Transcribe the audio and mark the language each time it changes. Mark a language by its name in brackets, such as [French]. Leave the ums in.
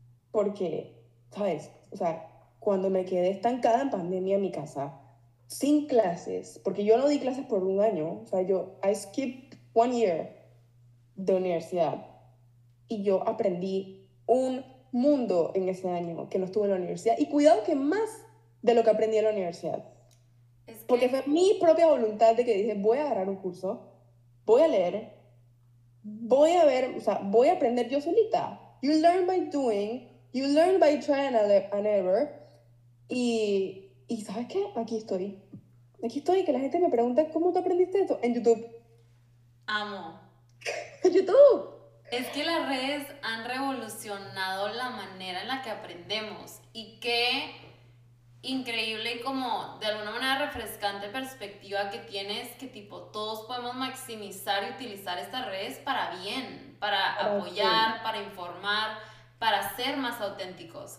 [Spanish] Porque, ¿sabes? O sea, cuando me quedé estancada en pandemia en mi casa, sin clases, porque yo no di clases por un año, o sea, yo, [English] I skipped one year [Spanish] de universidad y yo aprendí un mundo en ese año que no estuve en la universidad y cuidado que más de lo que aprendí en la universidad. Es que... Porque fue mi propia voluntad de que dije, voy a agarrar un curso, voy a leer, voy a ver, o sea, voy a aprender yo solita. [English] You learn by doing, you learn by trying and error. [Spanish] Y, y sabes qué, aquí estoy. Aquí estoy, que la gente me pregunta, ¿cómo tú aprendiste esto? En YouTube. Amo. En YouTube. Es que las redes han revolucionado la manera en la que aprendemos y qué increíble y como de alguna manera refrescante perspectiva que tienes que tipo todos podemos maximizar y utilizar estas redes para bien, para, para apoyar, sí. para informar, para ser más auténticos.